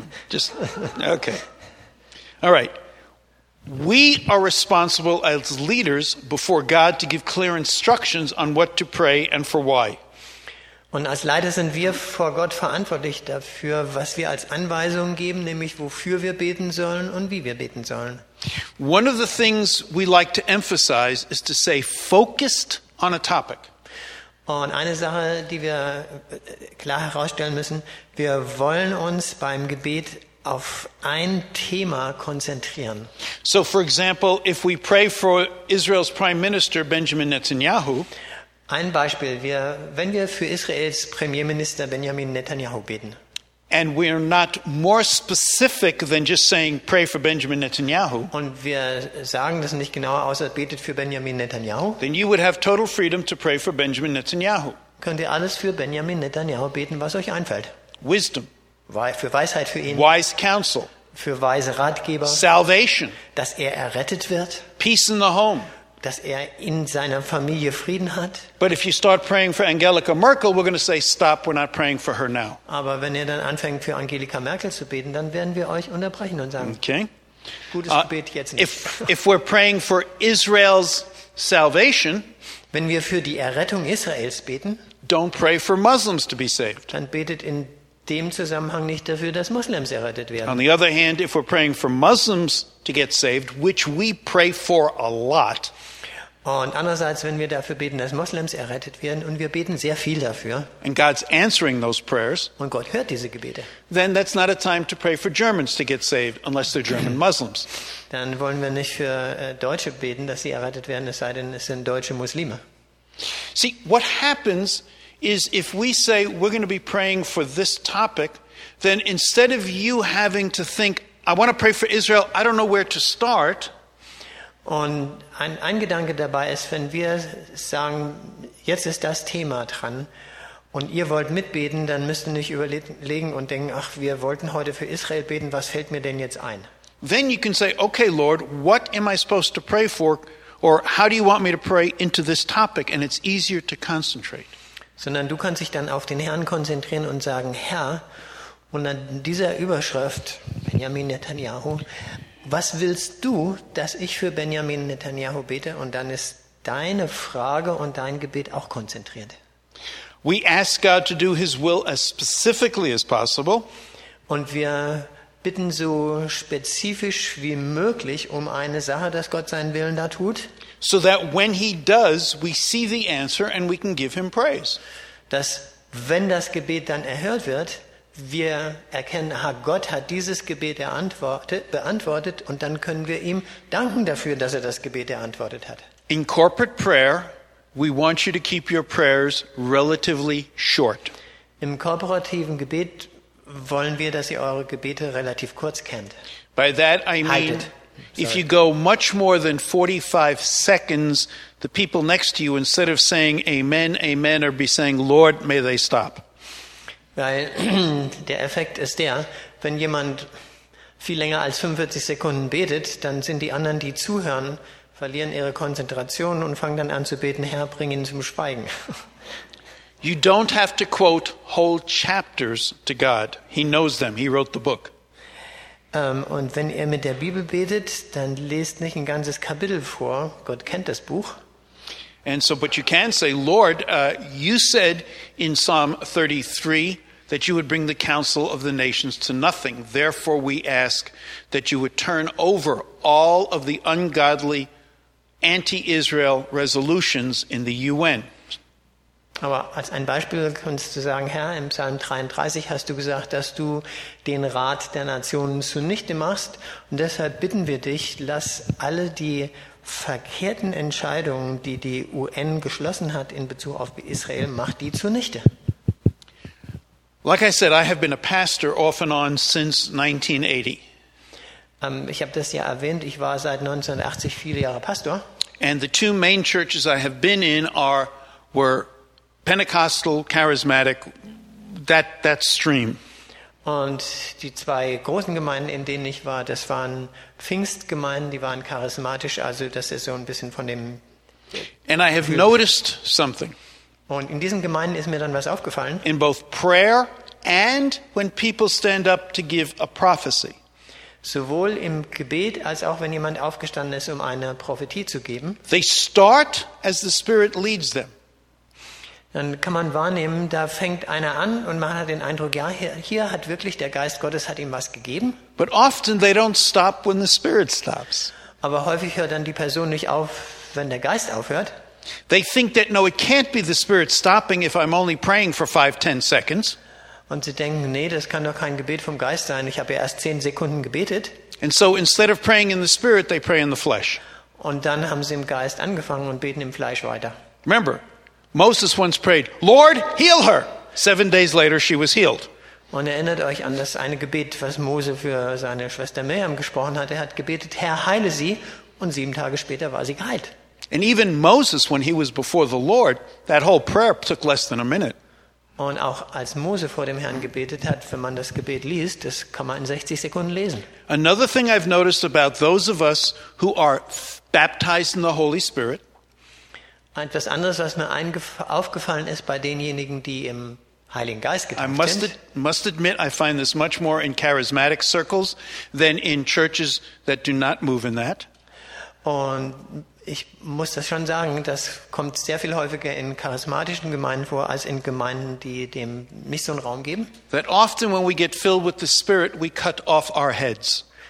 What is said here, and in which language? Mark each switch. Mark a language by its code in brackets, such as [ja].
[en] Just okay. All right. We are responsible as leaders before God to give clear instructions on what to pray and for why. [de] Und als Leiter sind wir vor Gott verantwortlich dafür, was wir als Anweisungen geben, nämlich wofür wir beten sollen und wie wir beten sollen. [en] One of the things we like to emphasize is to say focused on a topic. [de] Und eine Sache, die wir klar herausstellen müssen, wir wollen uns beim Gebet auf ein Thema konzentrieren. [en] So for example, if we pray for Israel's Prime Minister Benjamin Netanyahu, [de] ein Beispiel, wenn wir für Israels Premierminister Benjamin Netanyahu beten. [en] And we are not more specific than just saying pray for Benjamin Netanyahu. [de] Und wir sagen das nicht genauer, außer betet für Benjamin Netanyahu. [en] Then you would have total freedom to pray for Benjamin Netanyahu. [de] Könnt ihr alles für Benjamin Netanyahu beten, was euch einfällt. [en] Wisdom. [de] Für Weisheit für ihn. [en] Wise counsel. [de] Für weise Ratgeber. [en] Salvation. [de] Dass er errettet wird. [en] Peace in the home. [de] Dass er in seiner Familie Frieden hat. [en] But if you start praying for Angelika Merkel, we're going to say stop, we're not praying for her now. [de] Aber wenn ihr dann anfängt für Angelika Merkel zu beten, dann werden wir euch unterbrechen und sagen, okay. Gutes Gebet jetzt nicht. [en] If we're praying for Israel's salvation, [de] wenn wir für die Errettung Israels beten, [en] don't pray for Muslims to be saved. [de] Dann betet in dem Zusammenhang nicht dafür, dass Muslime errettet werden. [en] On the other hand, if we're praying for Muslims to get saved, which we pray for a lot. [de] Und andererseits, wenn wir dafür beten, dass Muslime errettet werden, und wir beten sehr viel dafür. [en] And God's answering those prayers. [de] Und Gott hört diese Gebete. [en] Then that's not a time to pray for Germans to get saved, unless they're German Muslims. [de] Dann wollen wir nicht für Deutsche beten, dass sie errettet werden, es sei denn, es sind deutsche Muslime. [en] See, what happens is if we say we're going to be praying for this topic, then instead of you having to think, I want to pray for Israel, I don't know where to start. [de] Und ein Gedanke dabei ist, wenn wir sagen, jetzt ist das Thema dran und ihr wollt mitbeten, dann müsst ihr nicht überlegen und denken, ach, wir wollten heute für Israel beten, was fällt mir denn jetzt ein? [en] Then you can say, okay, Lord, what am I supposed to pray for, or how do you want me to pray into this topic? And it's easier to concentrate. [de] Sondern du kannst dich dann auf den Herrn konzentrieren und sagen, Herr, und an dieser Überschrift, Benjamin Netanyahu, was willst du, dass ich für Benjamin Netanyahu bete? Und dann ist deine Frage und dein Gebet auch konzentriert. [en] We ask God to do his will as specifically as possible. [de] Und wir bitten so spezifisch wie möglich um eine Sache, dass Gott seinen Willen da tut. [en] So that when he does, we see the answer and we can give him praise. [de] Dass wenn das Gebet dann erhört wird, wir erkennen, aha, Gott hat dieses Gebet beantwortet und dann können wir ihm danken dafür, dass er das Gebet beantwortet hat. [en] In corporate prayer, we want you to keep your prayers relatively short. [de] Im kooperativen Gebet wollen wir, dass ihr eure Gebete relativ kurz kennt. [en] By that I mean, [de] haltet. [en] If you go much more than 45 seconds, the people next to you, instead of saying amen, amen, are be saying, Lord, may they stop. [de] Weil der Effekt ist der, wenn jemand viel länger als 45 Sekunden betet, dann sind die anderen, die zuhören, verlieren ihre Konzentration und fangen dann an zu beten, Herr, bring ihn zum Schweigen. [en] You don't have to quote whole chapters to God. He knows them. He wrote the book. [de] Und wenn ihr mit der Bibel betet, dann lest nicht ein ganzes Kapitel vor. Gott kennt das Buch. [en] And so, but you can say, Lord, you said in Psalm 33 that you would bring the counsel of the nations to nothing. Therefore, we ask that you would turn over all of the ungodly anti-Israel resolutions in the UN. [de] Aber als ein Beispiel kannst du sagen, Herr, im Psalm 33 hast du gesagt, dass du den Rat der Nationen zunichte machst. Und deshalb bitten wir dich, lass alle die verkehrten Entscheidungen, die die UN geschlossen hat in Bezug auf Israel, mach die zunichte. [en] Like I said, I have been a pastor off and on since 1980. [de] Ich habe das ja erwähnt, ich war seit 1980 viele Jahre Pastor. [en] And the two main churches I have been in were Pentecostal, charismatic, that stream. [de] Und die zwei großen Gemeinden, in denen ich war, das waren Pfingstgemeinden, die waren charismatisch, also das ist so ein bisschen von dem. [en] And I have noticed something. [de] Und in diesen Gemeinden ist mir dann was aufgefallen. [en] In both prayer and when people stand up to give a prophecy. [de] Sowohl im Gebet als auch wenn jemand aufgestanden ist, um eine Prophetie zu geben. [en] They start as the Spirit leads them. [de] dann kann man wahrnehmen, da fängt einer an und man hat den Eindruck, ja, hier hat wirklich der Geist Gottes hat ihm was gegeben. [en] But often they don't stop when the Spirit stops. [de] Aber häufig hört dann die Person nicht auf, wenn der Geist aufhört. [en] They think that no, it can't be the Spirit stopping if I'm only praying for 5-10 seconds. [de] Und sie denken, nee, das kann doch kein Gebet vom Geist sein. Ich habe ja erst 10 Sekunden gebetet. [en] And so instead of praying in the Spirit, they pray in the flesh. [de] Und dann haben sie im Geist angefangen und beten im Fleisch weiter. [en] Remember, Moses once prayed, Lord, heal her. 7 days later, she was healed. [de] Und erinnert euch an das eine Gebet, was Mose für seine Schwester Miriam gesprochen hat. Er hat gebetet, Herr, heile sie. Und 7 Tage später war sie geheilt. [en] And even Moses, when he was before the Lord, that whole prayer took less than a minute. [de] Und auch als Mose vor dem Herrn gebetet hat, wenn man das Gebet liest, das kann man in 60 Sekunden lesen. [en] Another thing I've noticed about those of us who are baptized in the Holy Spirit. [de] Etwas anderes, was mir aufgefallen ist bei denjenigen, die im Heiligen Geist getauft sind. [en] I must admit, I find this much more in charismatic circles than in churches that do not move in that. [de] Und ich muss das schon sagen, das kommt sehr viel häufiger in charismatischen Gemeinden vor, als in Gemeinden, die dem nicht so einen Raum geben. [en] That often when we get filled with the Spirit, we cut off our heads.